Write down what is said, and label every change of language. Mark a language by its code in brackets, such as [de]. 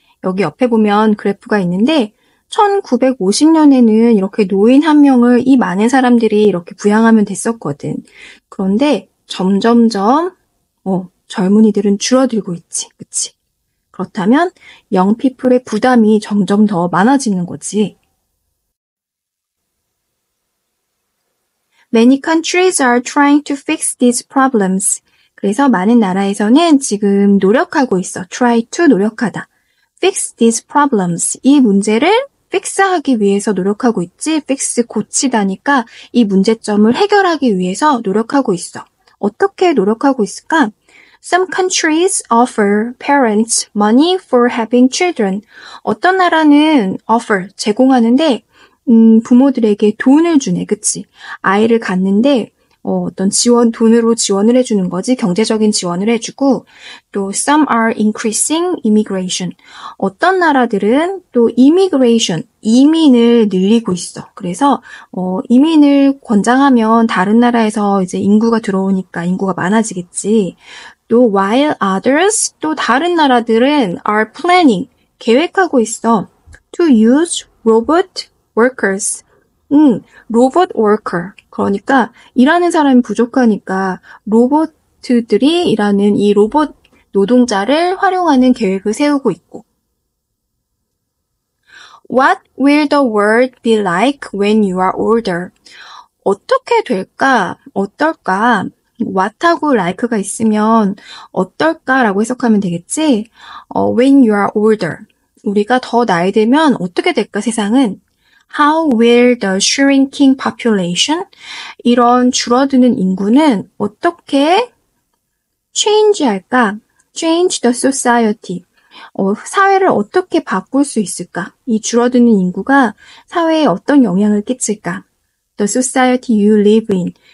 [ko] 여기 옆에 보면 그래프가 있는데 1950년에는 이렇게 노인 한 명을 이 많은 사람들이 이렇게 부양하면 됐었거든. 그런데 점점점 젊은이들은 줄어들고 있지, 그치? 그렇다면 [en] young people [ko] 의 부담이 점점 더 많아지는 거지. [en] Many countries are trying to fix these problems. [ko] 그래서 많은 나라에서는 지금 노력하고 있어. [en] Try to [ko] 노력하다. [en] Fix these problems. [ko] 이 문제를 fix하기 위해서 노력하고 있지. Fix 고치다니까 이 문제점을 해결하기 위해서 노력하고 있어. 어떻게 노력하고 있을까? [en] Some countries offer parents money for having children. [ko] 어떤 나라는 offer, 제공하는데 부모들에게 돈을 주네, 그치? 아이를 갖는데 어떤 지원, 돈으로 지원을 해주는 거지, 경제적인 지원을 해주고, 또 [en] some are increasing immigration. [ko] 어떤 나라들은 또 immigration, 이민을 늘리고 있어. 그래서 이민을 권장하면 다른 나라에서 이제 인구가 들어오니까 인구가 많아지겠지. 또 [en] while others, [ko] 또 다른 나라들은 [en] are planning, [ko] 계획하고 있어. [en] To use robot workers. [ko] 로봇 워커. 그러니까 일하는 사람이 부족하니까 로봇들이 일하는 이 로봇 노동자를 활용하는 계획을 세우고 있고. [en] What will the world be like when you are older? [ko] 어떻게 될까? 어떨까? What하고 like가 있으면 어떨까? 라고 해석하면 되겠지? [en] When you are older. [ko] 우리가 더 나이 들면 어떻게 될까 세상은? [en] How will the shrinking population? [ko] 이런 줄어드는 인구는 어떻게 change 할까? [en] Change the society. [ko] 사회를 어떻게 바꿀 수 있을까? 이 줄어드는 인구가 사회에 어떤 영향을 끼칠까? [en] The society you live in.